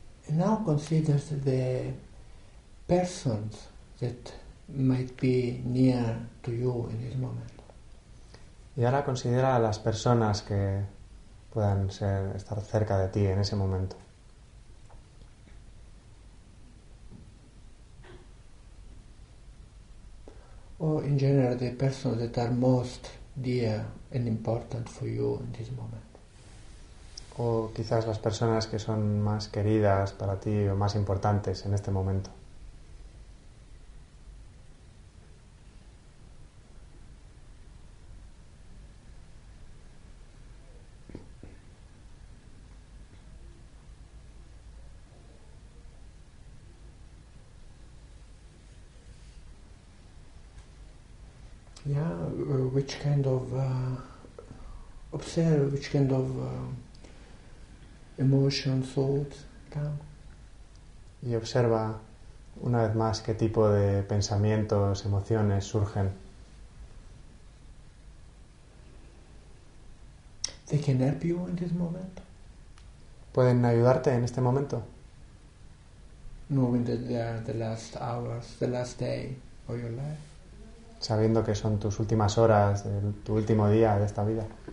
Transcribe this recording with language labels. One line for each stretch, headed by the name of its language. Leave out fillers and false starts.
English: Now consider the persons that might be near to you in this moment.
Spanish: Y ahora considera las personas que puedan estar cerca de ti en ese momento.
English: Or in general, the persons that are most dear and important for you in this moment.
Spanish: O quizás las personas que son más queridas para ti o más importantes en este momento.
English: Yeah, which kind of observe which kind of emotions, thoughts, come.
Spanish: Y observa una vez más qué tipo de pensamientos, emociones surgen.
English: They can help you in this moment.
Spanish: ¿Pueden ayudarte en este momento?
English: Knowing that they are the last hours, the last day of your life.
Spanish: Sabiendo que son tus últimas horas, tu último día de esta vida.